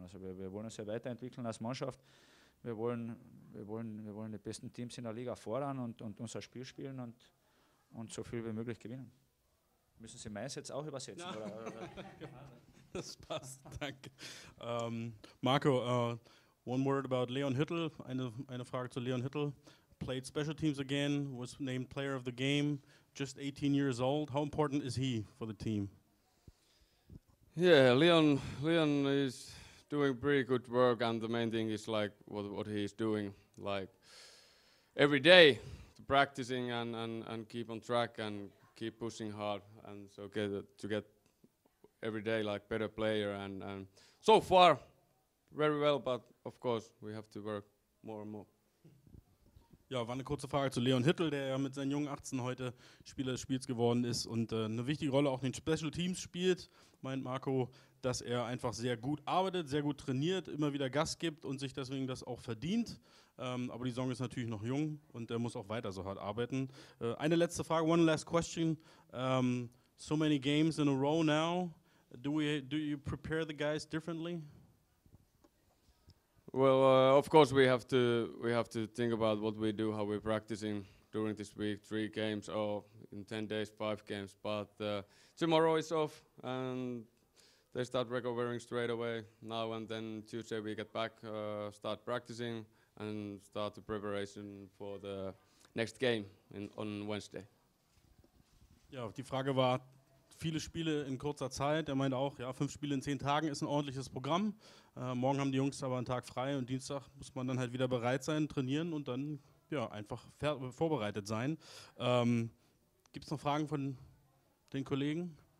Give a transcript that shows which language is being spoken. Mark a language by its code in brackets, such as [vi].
[de] Also wir wollen uns ja weiterentwickeln als Mannschaft. Wir wollen die besten Teams in der Liga fordern und unser Spiel spielen und so viel wie möglich gewinnen. Müssen Sie meins jetzt auch übersetzen? Ja. Oder? Das passt, danke. Marco, [en] one word about [de] Leon Hüttel. Eine Frage zu Leon Hüttel. [en] Played special teams again, was named player of the game, just 18 years old. How important is he for the team? Yeah, Leon is doing pretty good work, and the main thing is like what he's doing, like every day, practicing and keep on track and keep pushing hard, and so to get every day like better player and so far very well, but of course we have to work more and more. [de] Ja, war eine kurze Frage zu Leon Hüttel, der ja mit seinen jungen 18 heute Spieler des Spiels geworden ist und eine wichtige Rolle auch in den Special Teams spielt, meint Marco, dass er einfach sehr gut arbeitet, sehr gut trainiert, immer wieder Gas gibt und sich deswegen das auch verdient. Aber die Saison ist natürlich noch jung und er muss auch weiter so hart arbeiten. Eine letzte Frage, [en] one last question. So many games in a row now. Do you prepare the guys differently? Well, of course we have to think about what we do, how we're practicing during this week, 3 games or in 10 days, 5 games. But tomorrow is off and they start recovering straight away. Now and then Tuesday we get back, start practicing and start the preparation for the next game on Wednesday. [de] Ja, die Frage war, viele Spiele in kurzer Zeit. Er meinte auch, ja, 5 Spiele in 10 Tagen ist ein ordentliches Programm. Morgen haben die Jungs aber einen Tag frei und Dienstag muss man dann halt wieder bereit sein, trainieren und dann ja, einfach vorbereitet sein. Gibt es noch Fragen von den Kollegen?